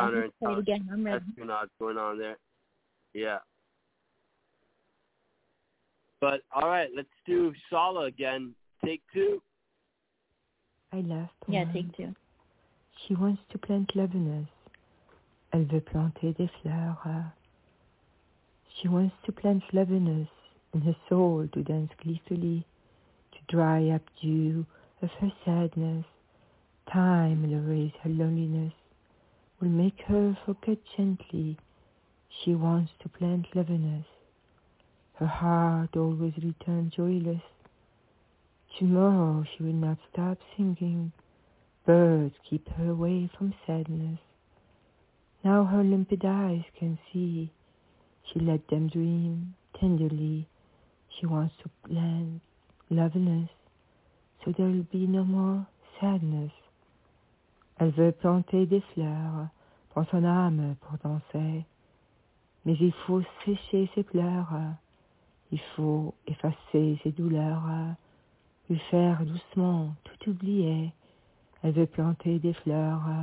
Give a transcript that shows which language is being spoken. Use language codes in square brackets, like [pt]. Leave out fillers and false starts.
[en] I'm ready to play it again. I'm ready. That's what's going on there. Yeah. But, all right, let's do Sala again. Take two. I left. Yeah, take two. She wants to plant lavenders. [fr] Elle veut planter des fleurs. [en] She wants to plant lavenders in her soul to dance gleefully, to dry up dew of her sadness. Time will erase her loneliness, will make her forget gently. She wants to plant lavenders. Her heart always returns joyless. Tomorrow she will not stop singing. Birds keep her away from sadness. Now her limpid eyes can see. She let them dream tenderly. She wants to plant loveliness, so there will be no more sadness. [fr] Elle veut planter des fleurs pour son âme pour danser. Mais il faut sécher ses pleurs. Il faut effacer ses douleurs. Lui faire doucement tout oublier. Elle veut planter des fleurs.